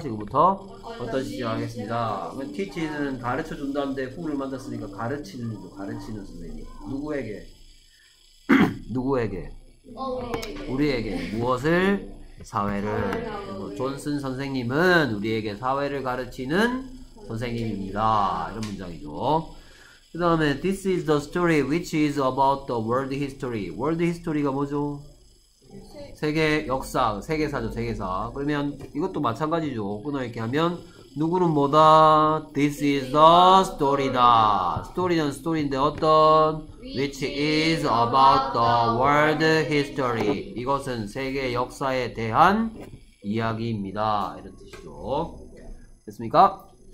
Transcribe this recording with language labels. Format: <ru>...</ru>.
<ko>지금부터 어떤 시 시작하겠습니다? 티치는 가르쳐준다는데 후를 만났으니까 가르치는 거죠. 가르치는 선생님. 누구에게? 누구에게? 우리에게. 무엇을? 사회를. 존슨 선생님은 우리에게 사회를 가르치는 선생님입니다. 이런 문장이죠. 그 다음에</ko> <en>This is the story which is about the world history.</en> <ko>World history가 뭐죠? 세계 역사, 세계사죠. 세계사. 그러면 이것도 마찬가지죠. 끊어 읽기 하면 누구는 뭐다?</ko> <en>This is the story다. Story는 story</en> <ko>인데 어떤?</ko> <en>Which is about the world history.</en> <ko>이것은 세계 역사에 대한 이야기입니다. 이런 뜻이죠. 됐습니까?</ko>